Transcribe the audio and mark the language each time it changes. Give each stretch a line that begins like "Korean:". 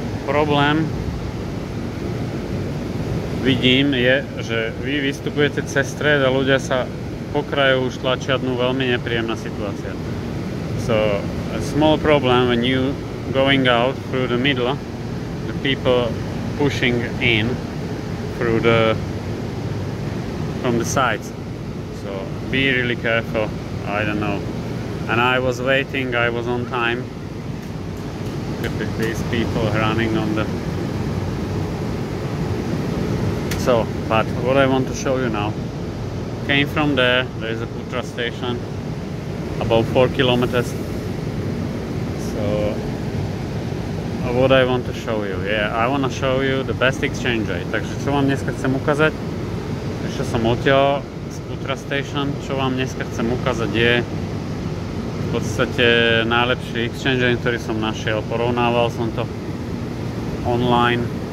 Slovak: Problém vidím je, že vy vystupujete cez stred a ľudia sa po kraju už tlačia dnu, veľmi nepríjemná situácia.
English: So, a small problem when you going out through the middle, the people pushing in through the from the sides. So be really careful, I don't know. And I was waiting, I was on time. Look at these people running on the... So, but what I want to show you now. Came from there, there is a Putra station, about 4 kilometers. So, what I want to show you. Yeah, I want to show you the best exchange rate.
Slovak: Takže čo vám dneska chcem ukázať? Ešte som odtiaľ z Putra station. Čo vám dneska chcem ukázať je v podstate najlepší exchange rate, ktorý som našiel. Porovnával som to online.